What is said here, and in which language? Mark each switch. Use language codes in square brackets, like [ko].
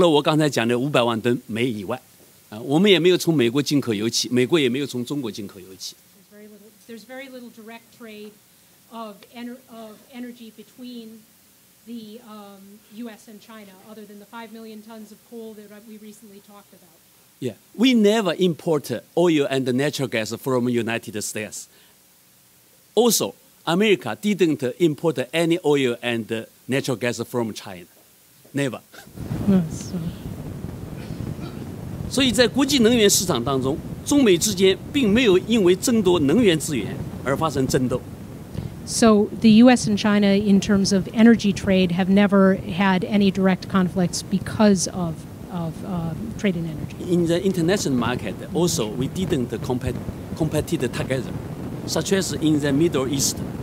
[zh] 而且中国和美国彼此都没有从对方国家进口大量的能源，除了我刚才讲的500万吨煤以外。我们也没有从美国进口油气，美国也没有从中国进口油气。 [en] There's very little direct trade of energy between the U.S. and China, other than the 5 million tons of coal that we recently talked about. Yeah, we never import oil and natural gas from the United States. Also, America didn't import any oil and natural gas from China. Never. Yes. [zh] 所以在国际能源市场当中，中美之间并没有因为争夺能源资源而发生争斗。 [en] So the U.S. and China, in terms of energy trade, have never had any direct conflicts because of trade in energy. In the international market, also we didn't compete together, such as in the Middle East.